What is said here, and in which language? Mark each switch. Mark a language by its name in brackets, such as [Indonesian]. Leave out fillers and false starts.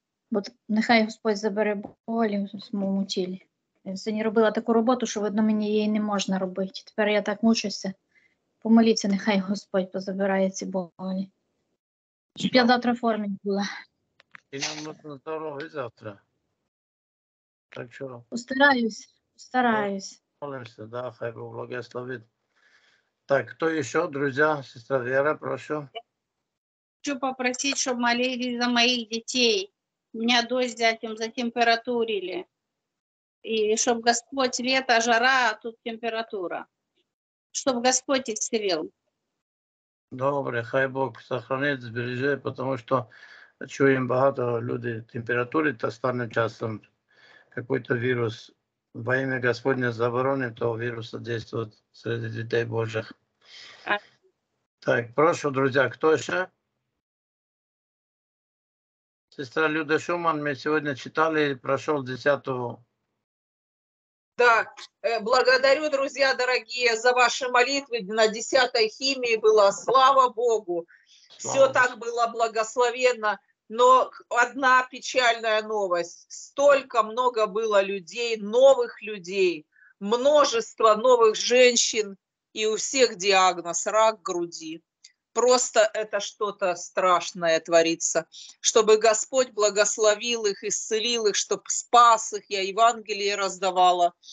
[Ukrainian] Бо нехай Господь забере болі в моєму тілі. Я сьогодні робила таку роботу, що видно мені її не можна робити. Тепер я так мучуся. Помоліться, нехай Господь позабирає ці болі. Щоб я завтра в формі була. І нам можна здоров'я завтра. Так що? Постараюсь. Молимося, да, хай Бог благословить. Так, хто ще, друзі, сестра Віра, прошу. Хочу попросити, щоб молились за моїх дітей. У мене дощ з зятем затемпературили. І щоб Господь, літо, жара, а тут температура. Щоб Господь ісцелив. Добре, хай Бог сохранить, збереже, тому що чуємо багато людей температури, та стане часом якийсь вірус. Во ім'я Господнє заборонив того вірусу дійствувати серед дітей Божих. Так, прошу, друзі, хто ще? Сестра Люда Шуман, ми сьогодні читали, пройшов 10-го. Так, благодарю, друзі, дорогі, за ваші молитви. На 10-й хімії була, слава Богу. Слава. Все так було благословенно. [Russian] Но одна печальная новость. Столько много было людей, новых людей, множество новых женщин, и у всех диагноз – рак груди. Просто это что-то страшное творится. Чтобы Господь благословил их, исцелил их, чтобы спас их, я Евангелие раздавала.